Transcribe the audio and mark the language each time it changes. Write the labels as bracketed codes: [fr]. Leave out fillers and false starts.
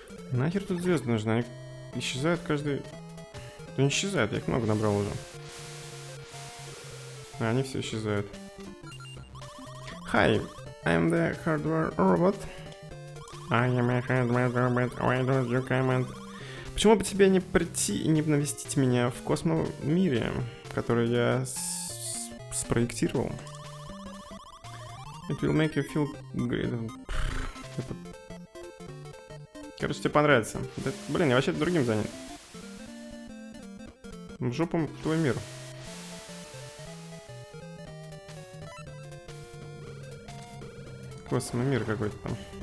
[ru] Нахер тут звезды нужны? Они исчезают каждый... Да не исчезают, я их много набрал уже. А они все исчезают. [en] Hi, I'm the hardware robot. I am a hardware robot. Why don't you come and... [ru] Почему бы тебе не прийти и не навестить меня в космомире, который я спроектировал? [en] It will make you feel great. [ru] Это... Короче, тебе понравится. Блин, я вообще другим занят. В жопу твой мир. Космический мир какой-то там.